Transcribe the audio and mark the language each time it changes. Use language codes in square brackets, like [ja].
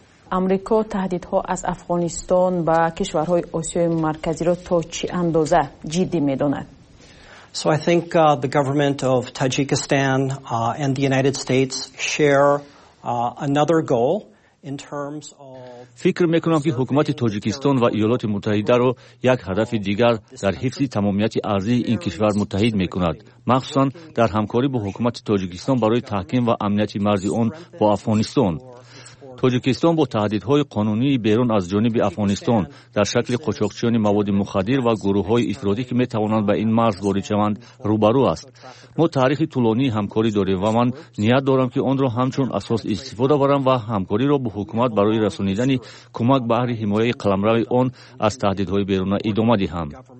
[tg] амрико таҳдидҳо аз афғонистон ба кишварҳои осиёи марказиро то чӣ андоза ҷиддӣ медонад [en] So I think the government of Tajikistan and the United States share another goal in terms of [fa] فکر میکنم که حکومت تاجیکستان و ایالات متحده را یک هدف دیگر در حفظ تمامیت ارضی این کشور متحد میکند مخصوصا در همکاری با حکومت تاجیکستان برای تحکیم و امنیت مرز آن با افغانستان [tg] тоҷикистон бо таҳдидҳои қонунии берун аз ҷониби афғонистон дар шакли қочоқчиёни маводи мухаддир ва гурӯҳҳои ифродӣ ки метавонанд ба ин марз ворид шаванд рӯбарӯ аст мо таърихи тӯлонии ҳамкорӣ дорем ва ман ният дорам ки онро ҳамчун асос истифода барам ва ҳамкориро бо ҳукумат барои расонидани кӯмак баҳри ҳимояи қаламрави он аз таҳдидҳои беруна идома диҳам